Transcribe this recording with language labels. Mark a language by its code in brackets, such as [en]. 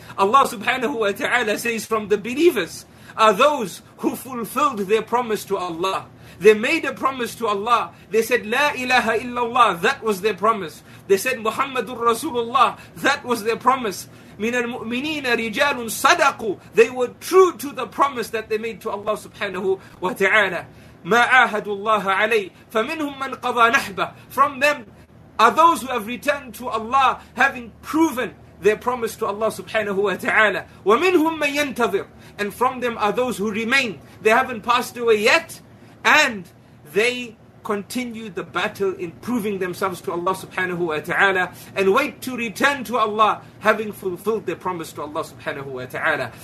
[en] Allah subhanahu wa ta'ala says, from the believers are those who fulfilled their promise to Allah. They made a promise to Allah. They said, La ilaha illallah. That was their promise. They said, Muhammadur Rasulullah. That was their promise. [ar] من المؤمنين رجال صدقوا. [en] They were true to the promise that they made to Allah subhanahu wa ta'ala. [ar] ما عاهد الله عليه فمنهم من قضى نحبه. [en] From them are those who have returned to Allah, having proven their promise to Allah subhanahu wa ta'ala. [ar] ومنهم من ينتظر. [en] And from them are those who remain. They haven't passed away yet, and they continue the battle in proving themselves to Allah subhanahu wa ta'ala, and wait to return to Allah, having fulfilled their promise to Allah subhanahu wa ta'ala.